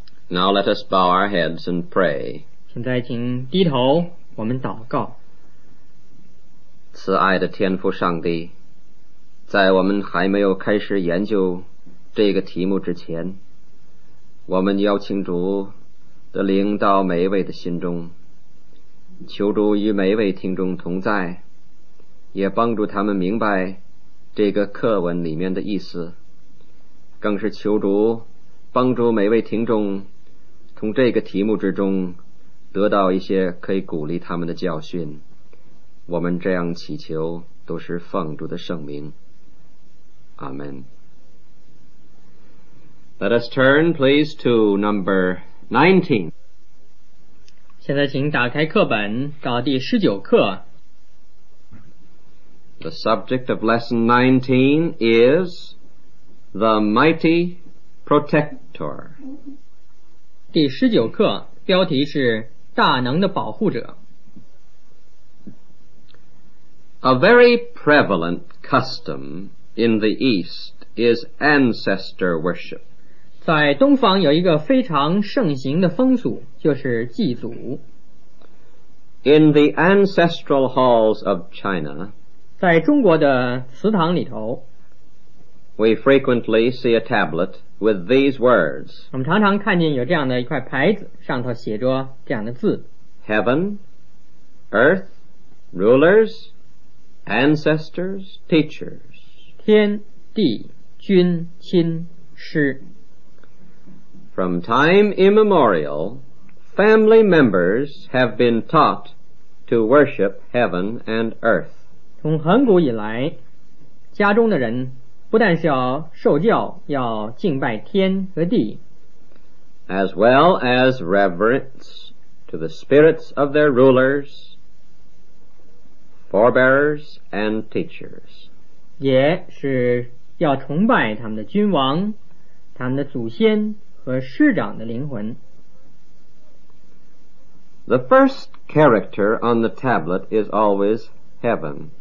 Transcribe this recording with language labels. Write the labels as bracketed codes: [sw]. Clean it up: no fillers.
[en] Now let us bow our heads and pray. [zh] 现在请低头，我们祷告。慈爱的天父上帝，在我们还没有开始研究这个题目之前，我们邀请主的灵到每一位的心中，求主与每一位听众同在，也帮助他们明白这个课文里面的意思，更是求主帮助每一位听众从这个题目之中得到一些可以鼓励他们的教训。我们这样祈求都是奉主的圣名，阿们。 [en] Let us turn please to number 19. [zh] 现在请打开课本到第十九课。 [en] The subject of lesson 19 is The Mighty Protector. [zh] 第十九课标题是大能的保护者。 [en] A very prevalent custom in the East is ancestor worship. [zh] 在东方有一个非常盛行的风俗，就是祭祖。 [en] In the ancestral halls of China, [zh] 在中国的祠堂里头， [en] we frequently see a tablet with these words. [zh] 我们常常看见有这样的一块牌子，上头写着这样的字： [en] Heaven, Earth, Rulers,Ancestors, teachers. [zh] 天地君亲师。 [en] From time immemorial, family members have been taught to worship heaven and earth. [zh] 从很古以来，家中的人不但是要受教，要敬拜天和地。 [en] As well as reverence to the spirits of their rulers. Forebearers and teachers. [zh] 也是要崇拜他们的君王，他们的祖先和师长的灵魂。 [en] The first character on the tablet is always heaven.